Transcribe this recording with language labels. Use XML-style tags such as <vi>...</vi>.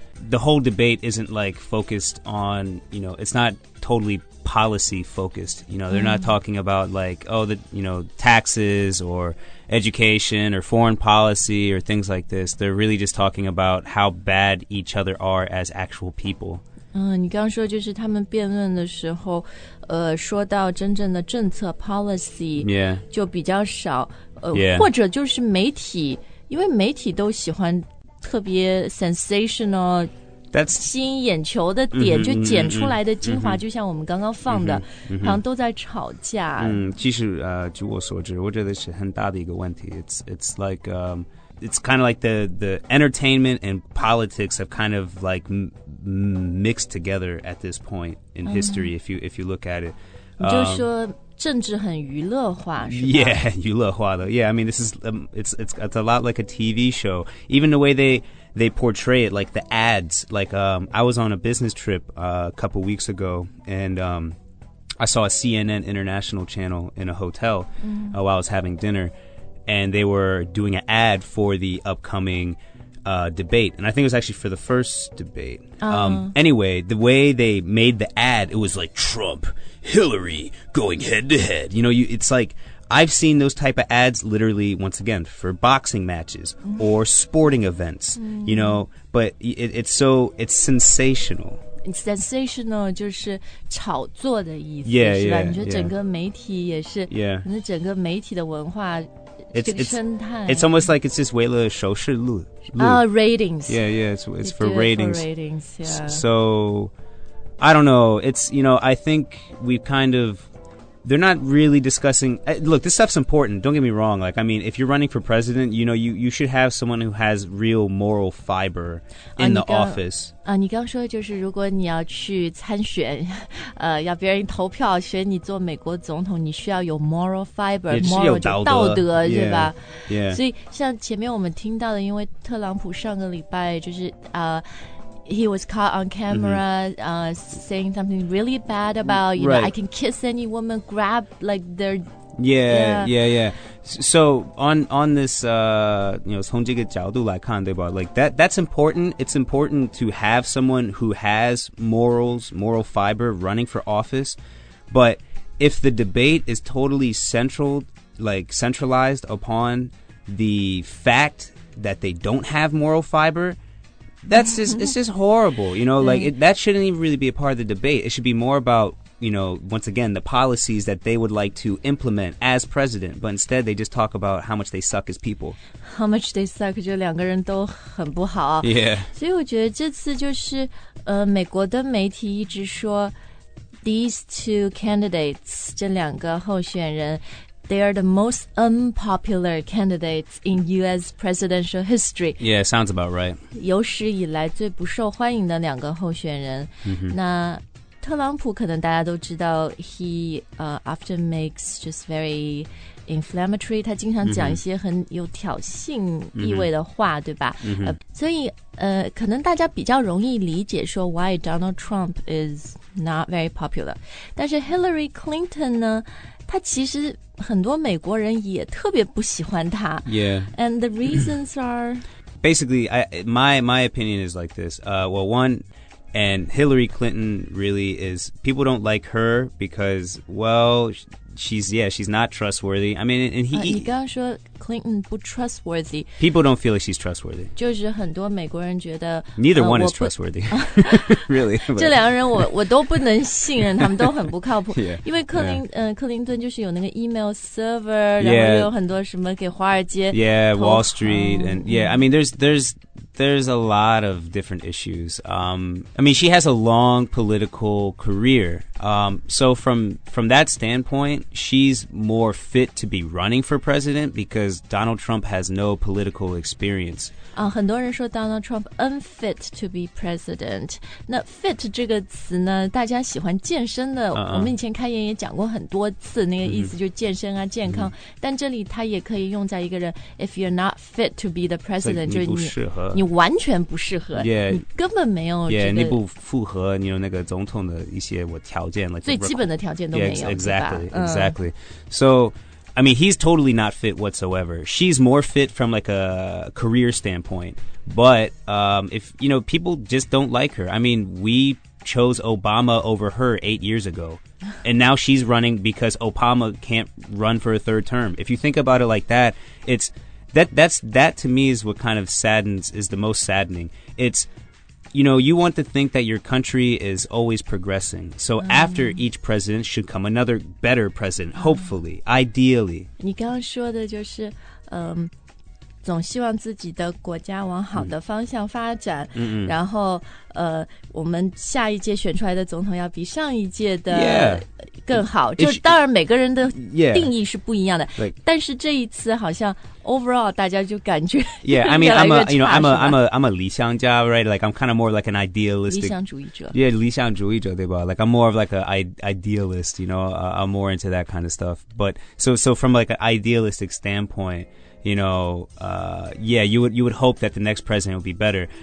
<en>The whole debate isn't, like, focused on, you know, it's not totally policy-focused. You know, they're not talking about, like, oh, the, you know, taxes or education or foreign policy or things like this. They're really just talking about how bad each other are as actual people.</en> <zh>你刚刚说就是他们辩论的时候说到真正的政策 policy、</zh> <en>yeah.</en> <zh>就比较少</zh> <en>yeah.</en> <zh>或者就是媒体因为媒体都喜欢特别 sensational</zh> <en>That's,</en> <zh>吸引眼球的点、mm-hmm, 就剪出来的精华、mm-hmm, 就像我们刚刚放的 mm-hmm, mm-hmm. 好像都在吵架、其实、据我所知我觉得是很大的一个问题</zh> <en>it's like、it's kind of like the entertainment and politics have kind of like mixed together at this point in history, mm-hmm. if you look at it.</en> <zh>你就说政治很娱乐化是吧</zh> <en>Yeah,</en> <zh>娱乐化的</zh> <en>Yeah, I mean, this is,、it's a lot like a TV show. Even the way they portray it, like the ads. Like,、I was on a business trip、a couple weeks ago, and、I saw a CNN international channel in a hotel、mm-hmm. While I was having dinner. And they were doing an ad for the upcoming、debate. And I think it was actually for the first debate.、 Uh-huh. Anyway, the way they made the ad, it was like Trump, Hillary going head to head. You know, it's like I've seen those type of ads literally, once again, for boxing matches、mm-hmm. or sporting events,、mm-hmm. you know. But it's sensational.</en> <zh>Sensational 就是炒作的意思</zh> <en>yeah,</en> <zh>是吧</zh> <en>yeah,</en> <zh>你觉得整个媒体也是、</zh> <en>yeah.</en> <zh>你整个媒体的文化</zh> <en>it's,</en> <zh>这个生态</zh> <en>it's almost like it's just</en> <zh>为了收视率</zh> <en>ratings yeah yeah it's for ratings, for ratings、yeah. so I don't know it's you know I think we've kind of they're not really discussing look this stuff's important don't get me wrong like I mean if you're running for president you know you should have someone who has real moral fiber in the office</en> <zh>你刚刚说的就是如果你要去参选要别人投票选你做美国总统你需要有 moral fiber</zh> <en>yeah, moral</en> <zh>就道德</zh> <en>yeah,</en> <zh>是吧</zh> <en>yeah</en> <zh>所以像前面我们听到的因为特朗普上个礼拜就是</zh> <en>He was caught on camera、</en> <zh>mm-hmm.</zh> <en>Saying something really bad about you、 right. know, I can kiss any woman Grab like their Yeah. So on this you know,</en> <zh>从这个角度来看对吧</zh> <en>like, That's important It's important to have someone Who has moral fiber Running for office But if the debate is totally centralized upon The fact That they don't have moral fiberThat's just, it's just horrible, you know, like, that shouldn't even really be a part of the debate. It should be more about, you know, once again, the policies that they would like to implement as president, but instead they just talk about how much they suck as people. How much they suck,</en> <zh>就两个人都很不好。</zh> <en>Yeah.</en> <zh>所以我觉得这次就是美国的媒体一直说</zh> <en>these two candidates,</en> <zh>这两个候选人</zh> <en>they are the most unpopular candidates in U.S. presidential history. Yeah, sounds about right.</en> <zh>有史以来最不受欢迎的两个候选人。那特朗普可能大家都知道</zh> <en>he often makes just very inflammatory,</en> <zh>他经常讲一些很有挑衅意味的话、mm-hmm. 对吧、 mm-hmm. 所以可能大家比较容易理解说</zh> <en>why Donald Trump is not very popular.</en> <zh>但是 Hillary Clinton 呢他其实很多美国人也特别不喜欢他</zh> <en>Yeah And the reasons are basically, my opinion is like this. And Hillary Clinton really is, people don't like her because, well, she's not trustworthy. I mean, and he...</en> <zh>你刚刚说 Clinton 不 trustworthy.</zh> <en>People don't feel like she's trustworthy.</en> <zh>就是很多美国人觉得</zh> <en>Neither one is trustworthy. really.</en> <zh>这两个人我都不能信任，他们都很不靠谱。</zh> <en>Yeah,</en> <zh>因为克林顿就是有那个 email server, 然后有很多什么给华尔街</zh> <en>Yeah, Wall Street. And yeah, I mean, there's a lot of different issues. I mean, she has a long political career. So from that standpoint, she's more fit to be running for president because Donald Trump has no political experience.</en> <zh>很多人说 Donald Trump</zh> <en>unfit to be president.</en> <zh>那 fit 这个词呢，大家喜欢健身的， uh-uh. 我们以前开言也讲过很多次，那个意思就是健身啊， mm-hmm. 健康。Mm-hmm. 但这里它也可以用在一个人 ，</zh> <en>if you're not fit to be the president，</en> <zh>就是你不适合。你完全不适合 yeah, 你根本没有、这个、 yeah, 你不符合你有那个总统的一些我条件、like、最基本的条件都没有</zh> <en>yeah, exactly. So I mean he's totally not fit whatsoever. She's more fit from like a career standpoint, but if you know people just don't like her. I mean we chose Obama over her 8 years ago and now she's running because Obama can't run for a third term. If you think about it like that, it'sThat to me is what kind of saddens, is the most saddening. It's, you know, you want to think that your country is always progressing. So after each president should come another better president, hopefully, ideally.</en> <zh>你刚刚说的就是，总希望自己的国家往好的方向发展，然后，我们下一届选出来的总统要比上一届的更好。</zh> <en>Yeah.</en> <zh>就当然每个人的定义是不一样的，</zh> <en>yeah. like,</en> <zh>但是这一次好像 overall 大家就感觉</zh> <en>yeah, I mean, I'm a 理想家 right? Like I'm kind of more like an idealist</en> <zh>理想主义者</zh> <en>yeah,</en> <zh>理想主义者对吧</zh> <en>Like I'm more of like an idealist, you know, I'm more into that kind of stuff. But so from like an idealistic standpoint. You know, yeah, you would hope that the next president would be better.</en>